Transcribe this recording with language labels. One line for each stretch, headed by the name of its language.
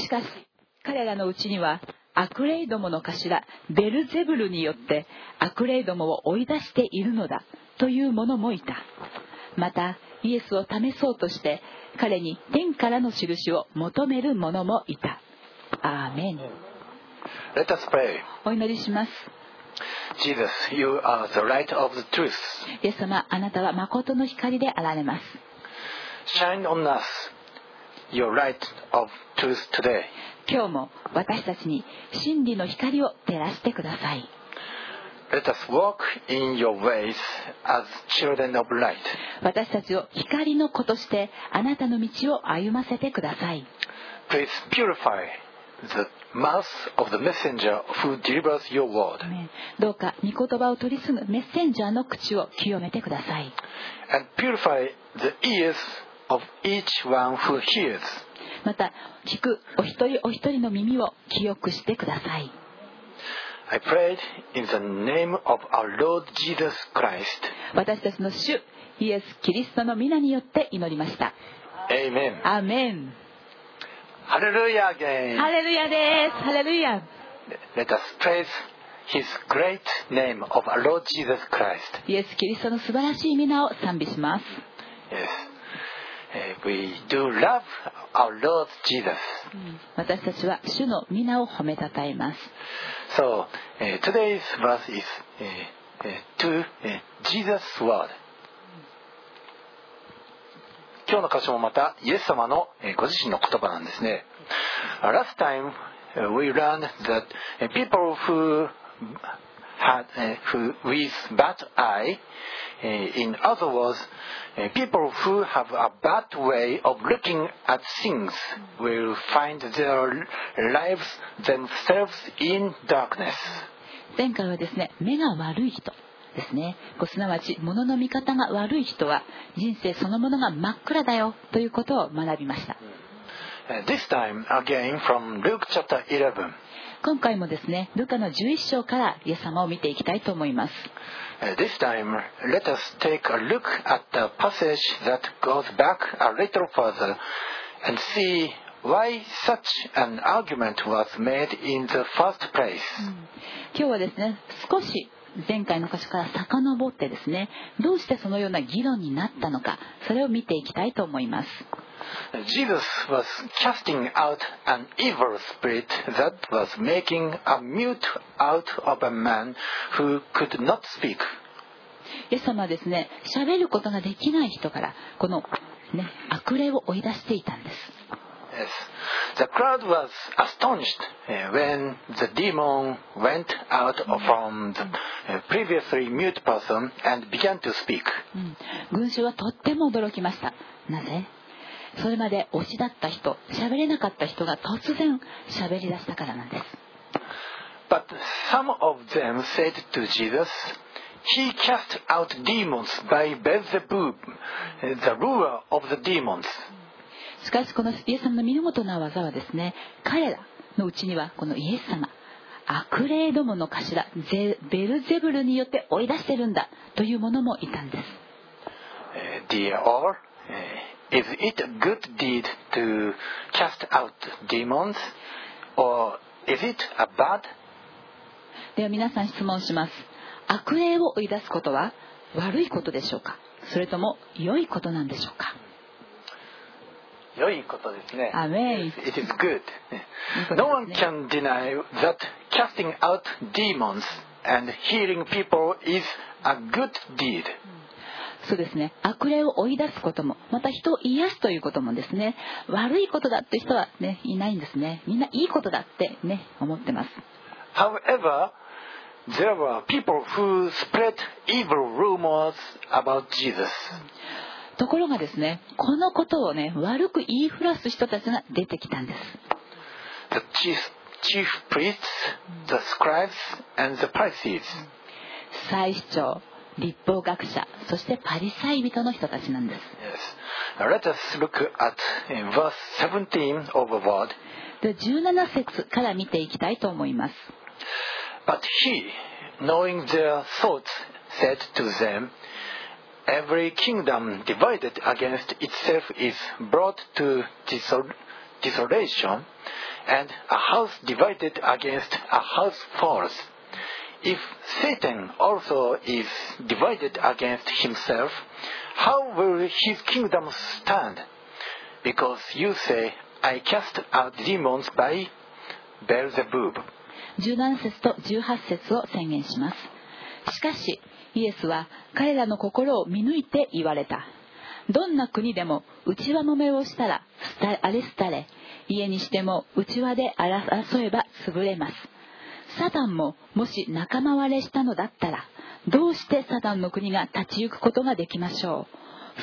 Japanese: しかし彼らのうちには悪霊どもの頭ベルゼブルによって悪霊どもを追い出しているのだという者もいた。またイエスを試そうとして彼に天からの印を求める者もいた。アーメン。
English: Let us pray.
Japanese: お祈りします。
English: Jesus, you are the light of the truth.
Japanese: イエス様、あなたは誠の光であられます。
English: Shine on us, your light of truth today.
Japanese: 今日も私たちに真理の光を照らしてください。
English: Let us walk in your ways as children of light.
Japanese: 私たちを光の子としてあなたの道を歩ませてください。
English: Please purify the mouth of the messenger who delivers your word.
Japanese: どうか御言葉を取り継ぐメッセンジャーの口を清めてください。
English: And purify the ears of each one who hears.
Japanese: また聞くお一人お一人の耳を清くしてください。
English: I prayed in the name of our Lord Jesus Christ.
Japanese: 私たちの主イエス・キリストの名によって祈りました。
English: Amen. Amen. ハレルヤ again.
Japanese: ハレルヤです。ハレルヤ。
English: Let us praise His great name of our Lord Jesus Christ.
Japanese: イエス・キリストの素晴らしい名を賛美します。
English: Yes. We do love our Lord Jesus.
Japanese: 私たちは主の名を褒めたたえます。
English: So, today's verse is to Jesus' word.
Japanese: 今日の箇所もまたイエス様のご自身の言葉なんですね。
English: Last time we learned that people who had with bad eye, in other words, people who have a bad way of looking at things will find their lives themselves in darkness.
Japanese: 前回はですね、目が悪い人ですね、すなわち物の見方が悪い人は人生そのものが真っ暗だよということを学びました。
English: This time, again, from Luke chapter 11.
Japanese: 今回もですね、ルカの11章からイエス様を見ていきたいと思います。
English: This time, let us take a look at the passage that goes back a little further and see why such an argument was made in the first place.
Japanese: 今日はですね、少し前回の箇所から遡ってですね、どうしてそのような議論になったのか、それを見ていきたいと思います。
English: Jesus was casting out an evil spirit that was making a mute out of a man who could not speak.
Japanese: イエス様はですね、喋ることができない人からこの、ね、悪霊を追い出していたんです。
English: Yes. The crowd was astonished when the demon went out from the previously mute person and began to speak.
Japanese: 群衆はとっても驚きました。なぜ？それまで推しだった人、喋れなかった人が突然喋り出したからなんです。
English: But some of them said to Jesus, He cast out demons by Beelzebub, the ruler of the demons.
Japanese: しかしこのイエス様の身のもとな技はですね、彼らのうちにはこのイエス様、悪霊どもの頭ベルゼブルによって追い出してるんだというものもいたんです。
English: Dear, is it a good deed to cast out demons, or is it a bad?
Japanese: では皆さん質問します。悪霊を追い出すことは悪いことでしょうか、それとも良いことなんでしょうか。良いことですね。アメン。
English: It is good. No one can deny that casting out demons and healing people is a good deed.
Japanese: そうですね。悪霊を追い出すことも、また人を癒すということもですね、悪いことだって人はね、いないんですね。みんないいことだってね、思ってます。
English: However, there were people who spread evil rumors about Jesus.
Japanese: ところがですね、このことをね、悪く言いふらす人たちが出てきたんです。
English: The chief priests, the scribes, and the Pharisees.
Japanese: 祭司長、律法学者、そしてパリサイ人の人たちなんです。
English: Yes. Let us look at verse 17 of the word.
Japanese: 17節から見ていきたいと思います。
English: But he, knowing their thoughts, said to them,Every kingdom divided against itself is brought to desolation, and a house divided against a house falls. If Satan also is divided against himself, how will his kingdom stand? Because you say, I cast out demons by Beelzebub.
Japanese: 17節と18節を宣言します。しかし、イエスは彼らの心を見抜いて言われた。どんな国でも内輪揉めをしたら荒れ廃れ、家にしても内輪で争えば潰れます。サタンももし仲間割れしたのだったら、どうしてサタンの国が立ち行くことができましょう。